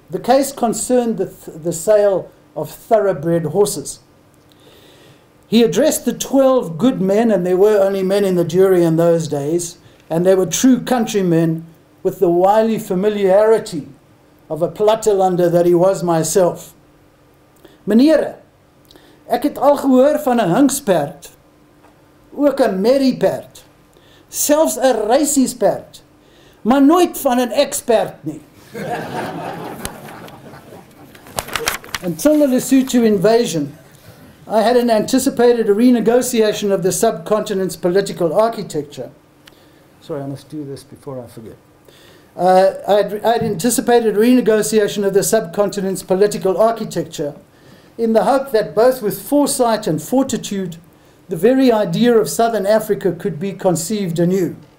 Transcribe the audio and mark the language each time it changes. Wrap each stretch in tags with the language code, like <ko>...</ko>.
<en>The case concerned the sale of thoroughbred horses. He addressed the 12 good men, and there were only men in the jury in those days, and they were true countrymen, with the wily familiarity of a Plattelander that he was myself.</en> <af>Menere, ek het al gehoor van 'n hingspert, ook 'n merriepert, selfs 'n reisiespert, maar nooit van 'n expert nie.</af> <en>Until the Lesotho invasion, I had anticipated a renegotiation of the subcontinent's political architecture. Sorry, I must do this before I forget. I had anticipated a renegotiation of the subcontinent's political architecture in the hope that both with foresight and fortitude, the very idea of Southern Africa could be conceived anew.</en>